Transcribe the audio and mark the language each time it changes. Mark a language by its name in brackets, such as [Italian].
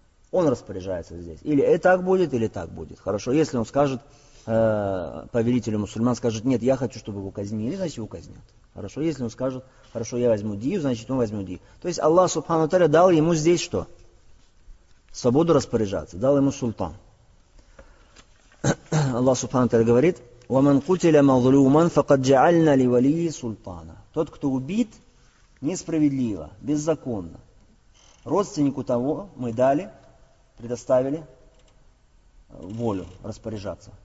[Russian] Он распоряжается здесь. Или и так будет, или так будет. Хорошо, если он скажет, повелителю мусульман скажет, нет, я хочу, чтобы его казнили, значит его казнят. Хорошо, если он скажет, хорошо, я возьму дию, значит он возьмет дию. То есть Аллах Субхану Таля дал ему здесь что? Свободу распоряжаться. Дал ему султан. [Arabic] Аллах Субхану Таля говорит, وَمَنْ قُتِلَ مَظْلُومًا فَقَدْ جَعَلْنَا لِوَلِيِّ سُلْطَانًا. [Russian] Тот, кто убит несправедливо, беззаконно, родственнику того мы дали, предоставили волю распоряжаться.